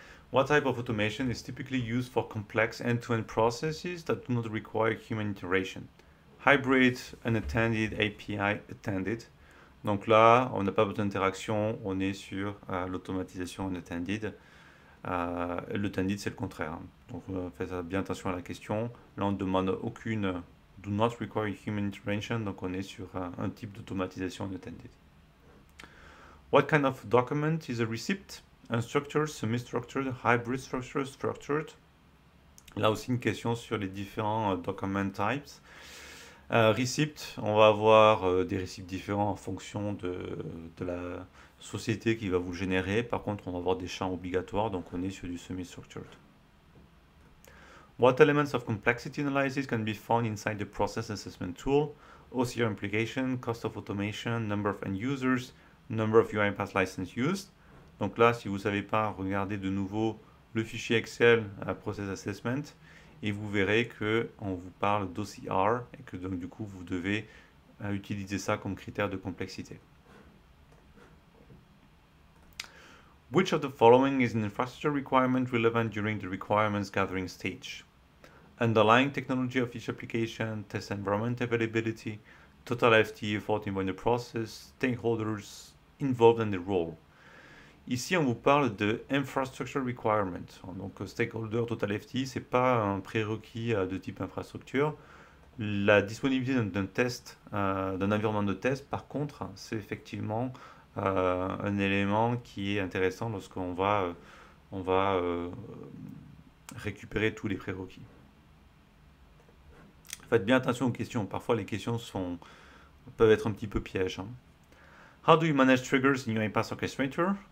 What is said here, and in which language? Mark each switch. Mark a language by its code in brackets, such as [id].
[en] What type of automation is typically used for complex end-to-end processes that do not require human interaction? Hybrid, unattended, API attended. [fr] Donc là, on n'a pas besoin d'interaction, on est sur l'automatisation unattended. L'attended, c'est le contraire. Donc faites bien attention à la question. Là, on ne demande aucune [en] do not require human intervention. [fr] Donc on est sur un type d'automatisation unattended. [en] What kind of document is a receipt? Unstructured, semi-structured, hybrid structure, structured. [fr] Là aussi, une question sur les différents document types. Receipt, on va avoir des receipts différents en fonction de la société qui va vous générer. Par contre, on va avoir des champs obligatoires, donc on est sur du semi-structured. [en] What elements of complexity analysis can be found inside the process assessment tool? OCR implication, cost of automation, number of end users, number of UiPath license used. [fr] Donc là, si vous ne savez pas, regardez de nouveau le fichier Excel Process Assessment et vous verrez que on vous parle d'OCR et que donc du coup vous devez utiliser ça comme critère de complexité. [en] Which of the following is an infrastructure requirement relevant during the requirements gathering stage? Underlying technology of each application, test environment availability, total FTE effort in the process, stakeholders involved in the role. [fr] Ici, on vous parle de infrastructure requirement. Donc, stakeholder total FTE, ce n'est pas un prérequis de type infrastructure. La disponibilité d'un test, d'un environnement de test, par contre, c'est effectivement un élément qui est intéressant lorsqu'on va, on va récupérer tous les prérequis. Faites bien attention aux questions. Parfois, les questions peuvent être un petit peu pièges. Hein. [en] How do you manage triggers in UiPath Orchestrator?